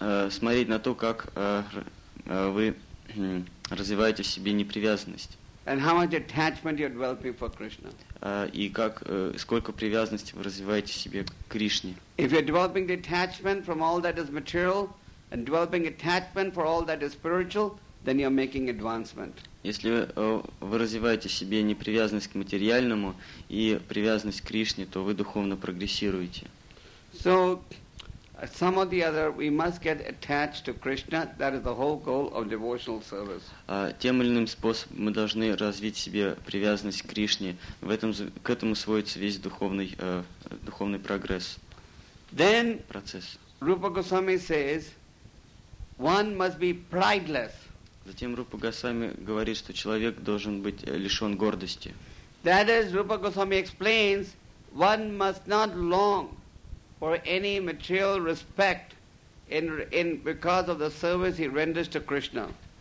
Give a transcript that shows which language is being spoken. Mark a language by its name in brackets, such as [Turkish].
[Russian] Смотреть на то, как вы развиваете в себе непривязанность. [English] And how much attachment you're developing for Krishna? [Russian] Сколько привязанности вы развиваете в себе к Кришне? [English] If you're developing detachment from all that is material and developing attachment for all that is spiritual, then you're making advancement. [Russian] Если вы развиваете в себе непривязанность к материальному и привязанность к Кришне, то вы духовно прогрессируете. [English] So, some or the other, we must get attached to Krishna. That is the whole goal of devotional service. [Russian] Тем или иным способом мы должны развить себе привязанность к Кришне. К этому сводится весь духовный прогресс. [English] Then, [Russian] процесс. [English] Rupa Goswami says, one must be prideless. [Russian] Затем Рупа Госвами говорит, что человек должен быть лишен гордости. [English] That is, Rupa Goswami explains, one must not long for any material respect in because of the service he renders to Krishna.